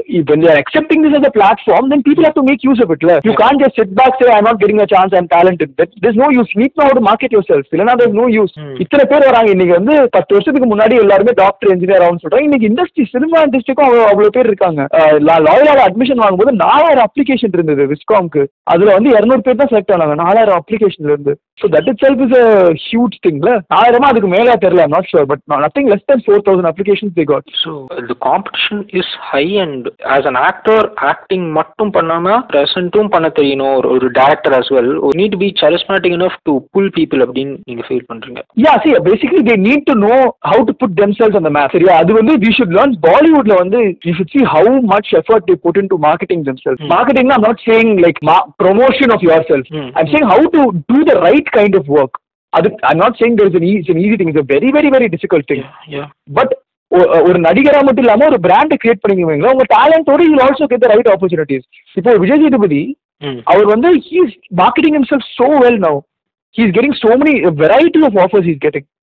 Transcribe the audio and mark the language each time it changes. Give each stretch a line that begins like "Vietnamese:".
English: When they are accepting this as a platform, then people have to make use of it. Like, you can't just sit back and say, I'm not getting a chance, I'm talented. There's no use. You need to know how to market yourself. You know, there's no use.
Tamil: இத்தனை பேர் வராங்க இன்னைக்கு வந்து, 10 வருஷத்துக்கு முன்னாடி எல்லாருமே doctor engineer ஆகும் சொல்றாங்க, இன்னைக்கு இண்டஸ்ட்ரி சினிமா இண்டஸ்ட்ரிக்கும் அவ்வளவு பேர் இருக்காங்க. லாயரால அட்மிஷன் வாங்கும்போது 4000 அப்ளிகேஷன் இருந்தது விஸ்காம்க்கு, அதுல வந்து 200 பேர் தான் செலக்ட் ஆனாங்க 4000 அப்ளிகேஷன்ல இருந்து.
English: So that itself is a huge thing. I'm not sure, but nothing less than 4,000 applications they got. So the competition is high, and as an actor,
Tamil: acting mattum pannama presentum panna theriyano,
English: or director as well, you need to be charismatic enough to pull people up. Yeah, see, basically they need to know how to put themselves on the map. Yeah, we should learn Bollywood. You should see how much effort they put into marketing themselves. Marketing, I'm not saying like promotion of yourself. I'm saying how to do the right kind of work. I'm not saying there is an easy thing, it's a very very very difficult thing. Yeah.
Tamil: But ஒரு நடிகரா மட்டும் இல்லாம ஒரு brand create பண்ணிக்கிறீங்க, உங்க டேலண்டோட
English: You also get the right opportunities.
Tamil: இப்போ விஜய் சேதுபதி அவர் வந்து
English: He is marketing himself so well now, he is getting so many variety of offers he's getting.